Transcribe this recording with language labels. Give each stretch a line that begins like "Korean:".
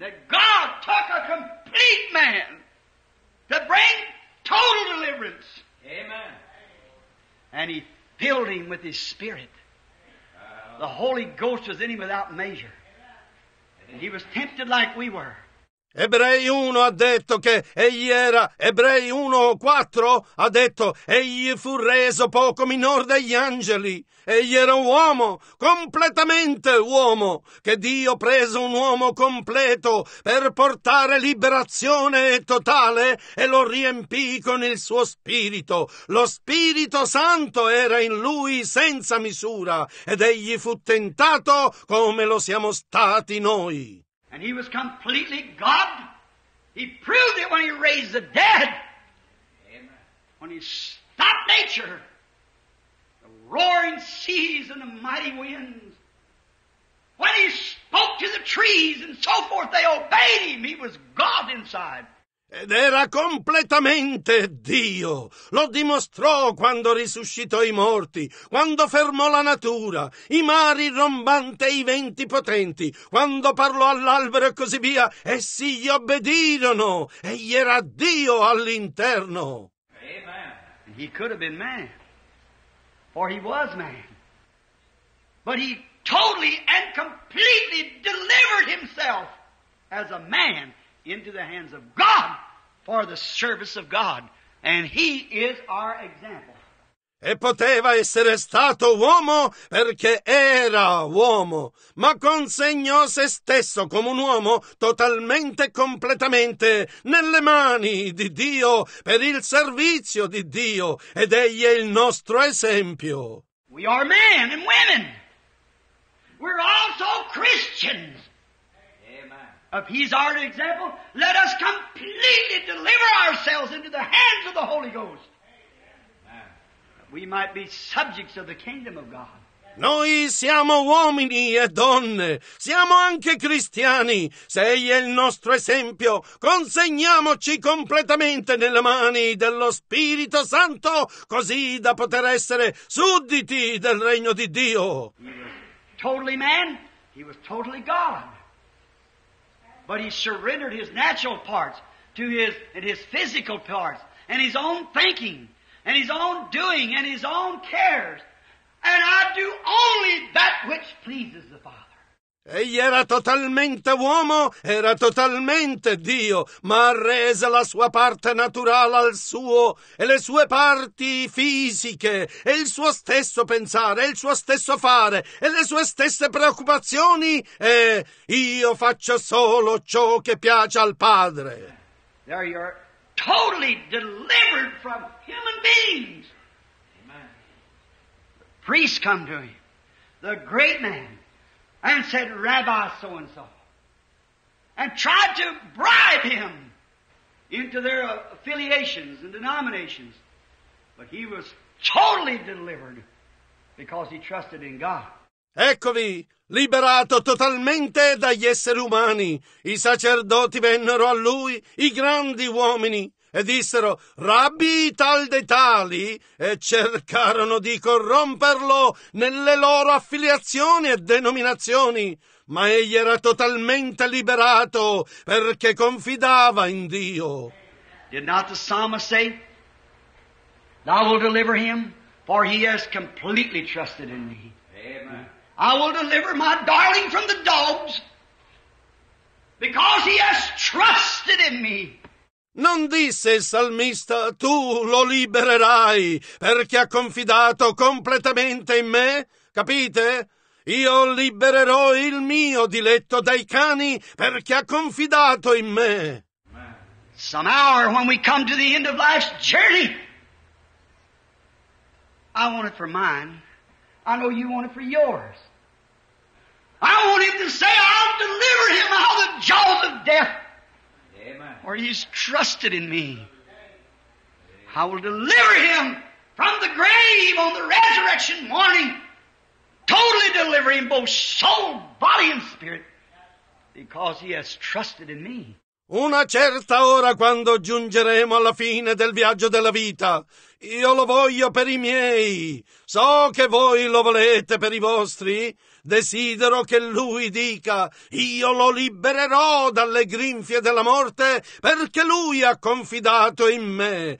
English: That God took a complete man to bring total deliverance. Amen. And he filled him with his spirit. The Holy Ghost was in him without measure. And he was tempted like we were.
Italian: Ebrei 1 ha detto che egli era, Ebrei 1:4 ha detto, egli fu reso poco minor degli angeli. Egli era un uomo, completamente uomo, che Dio prese un uomo completo per portare liberazione totale e lo riempì con il suo spirito. Lo Spirito Santo era in lui senza misura ed egli fu tentato come lo siamo stati noi.
English: And he was completely God. He proved it when he raised the dead. Amen. When he stopped nature, the roaring seas and the mighty winds. When he spoke to the trees and so forth, they obeyed him. He was God inside.
Italian: Ed era completamente Dio. Lo dimostrò quando risuscitò i morti, quando fermò la natura, i mari rombanti e i venti potenti, quando parlò all'albero e così via, essi gli obbedirono. Egli era Dio all'interno.
English: Amen. He could have been man, for he was man. But he totally and completely delivered himself as a man into the hands of God for the service of God, and he is our example.
Italian: E poteva essere stato uomo perché era uomo, ma consegnò se stesso come un uomo totalmente e completamente nelle mani di Dio per il servizio di Dio, ed egli è il nostro esempio.
English: We are men and women. We're also Christians. If he's our example, let us completely deliver ourselves into the hands of the Holy Ghost. Amen. We might be subjects of the kingdom of God.
Italian: Noi siamo uomini e donne, siamo anche cristiani. Se egli è il nostro esempio, consegniamoci completamente nelle mani dello Spirito Santo, così da poter essere sudditi del regno di Dio.
English: He was totally man, he was totally God. But he surrendered his natural parts to his and his physical parts and his own thinking and his own doing and his own cares. And I do only that which pleases the Father.
Italian: Egli era totalmente uomo, era totalmente Dio, ma rese la sua parte naturale al suo e le sue parti fisiche e il suo stesso pensare, il suo stesso fare e le sue stesse preoccupazioni e io faccio solo ciò che piace al Padre.
English: There you are totally delivered from human beings. Amen. The priest come to him, the great man. And said, Rabbi so-and-so. And tried to bribe him into their affiliations and denominations. But he was totally delivered because he trusted in God.
Italian: Eccovi, liberato totalmente dagli esseri umani. I sacerdoti vennero a lui, i grandi uomini, e dissero, Rabbi tal dei tali, e cercarono di corromperlo nelle loro affiliazioni e denominazioni, ma egli era totalmente liberato perché confidava in Dio.
English: Did not the psalmist say, I will deliver him, for he has completely trusted in me. Amen. I will deliver my darling from the dogs, because he has trusted in me.
Italian: Non disse il salmista, tu lo libererai perché ha confidato completamente in me? Capite? Io libererò il mio diletto dai cani perché ha confidato in me.
English: Some hour when we come to the end of life's journey, I want it for mine. I know you want it for yours. I want him to say, I'll deliver him out of the jaws of death. Amen. Or he's trusted in me. I will deliver him from the grave on the resurrection morning. Totally deliver him, both soul, body, and spirit. Because he has trusted in me.
Italian: Una certa ora, quando giungeremo alla fine del viaggio della vita, io lo voglio per i miei. So che voi lo volete per i vostri. Desidero che lui dica, io lo libererò dalle grinfie della morte perché lui ha confidato in me.